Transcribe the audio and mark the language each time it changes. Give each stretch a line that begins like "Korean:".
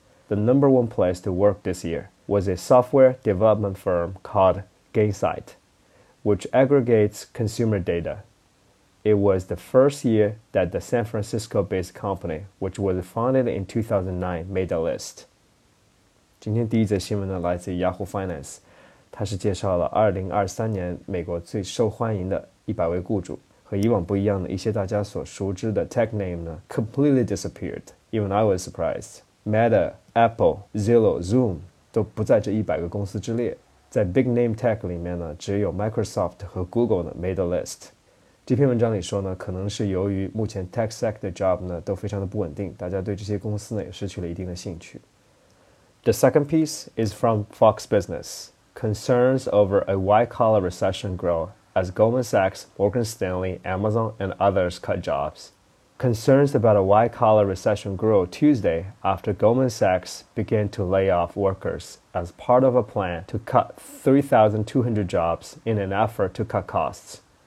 English: The number one place to work this year was a software development firm called Gainsight, which aggregates consumer data. It was the first year that the San Francisco-based company, which was founded in 2009, made the list.
Chinese: 今天第一则新闻呢来自 Yahoo Finance, 它是介绍了2023年美国最受欢迎的100位雇主。和以往不一样的一些大家所熟知的 tech name 呢
English: completely disappeared. Even I was surprised.
Chinese: Meta, Apple, Zillow, Zoom 都不在这100个公司之列。在 big name tech 里面呢只有 Microsoft 和 Google 呢
English: made the list.
Chinese: 这篇文章里说呢，可能是由于目前 tech sector job 呢都非常的不稳定，大家对这些公司呢也失去了一定的兴趣。
English: The second piece is from Fox Business. Concerns over a white-collar recession grow as Goldman Sachs, Morgan Stanley, Amazon, and others cut jobs. Concerns about a white-collar recession grew Tuesday after Goldman Sachs began to lay off workers as part of a plan to cut 3,200 jobs in an effort to cut costs.